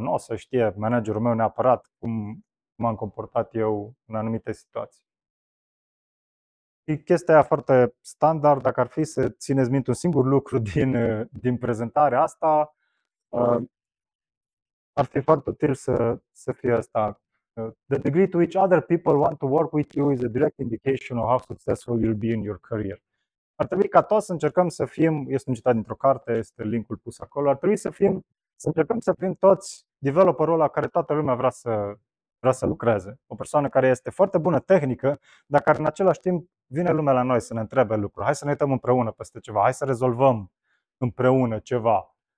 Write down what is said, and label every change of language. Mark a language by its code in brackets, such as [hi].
[ro] Nu o să știe managerul meu neapărat cum am comportat eu în anumite situații. Și chestia aia foarte standard, dacă ar fi să țineți minte un singur lucru din prezentarea asta, ar fi foarte util să fie asta. [en] The degree to which other people want to work with you is a direct indication of how successful you'll be in your career. [ro] Ar trebui ca toți să încercăm să fim, este un citat dintr-o carte, este linkul pus acolo, ar trebui să încercăm să fim toți developerul ăla care toată lumea vrea să, vrea să lucreze. O persoană care este foarte bună tehnică, dar care în același timp vine lumea la noi să ne întrebe lucruri. Hai să ne uităm împreună peste ceva, hai să rezolvăm împreună ceva.